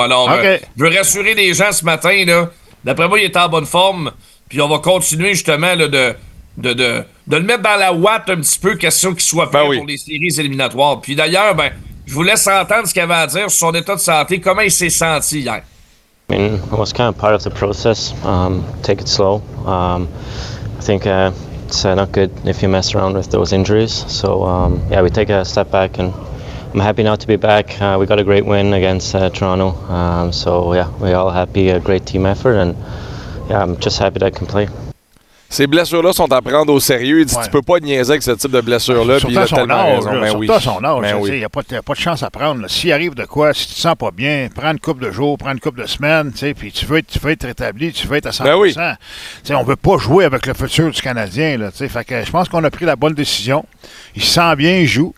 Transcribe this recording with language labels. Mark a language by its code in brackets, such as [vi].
[fr] Alors, je veux rassurer les gens ce matin. Là, d'après moi, il est en bonne forme. Puis on va continuer justement là, de le mettre dans la ouate un petit peu, question qu'il soit fait pour les séries éliminatoires. Puis d'ailleurs, ben, je vous laisse entendre ce qu'il avait à dire sur son état de santé. Comment il s'est senti hier? [en] I mean, it was kind of part of the process. Take it slow. I think it's not good if you mess around with those injuries. So, we take a step back, and I'm happy now to be back. We got a great win against Toronto. So, we're all happy. A great team effort, and I'm just happy that I can play. [fr] ces blessures-là sont à prendre au sérieux. Il dit tu peux pas niaiser avec ce type de blessure-là. Puis surtout il a tellement âge, raison. Mais surtout oui. À son âge, mais oui. Il n'y a pas de chance à prendre. S'il arrive de quoi, si tu te sens pas bien, prends une couple de jours, prends une couple de semaines, puis tu veux être rétabli, tu veux être à 100%. Ben oui. On veut pas jouer avec le futur du Canadien. Je pense qu'on a pris la bonne décision. Il se sent bien, il joue.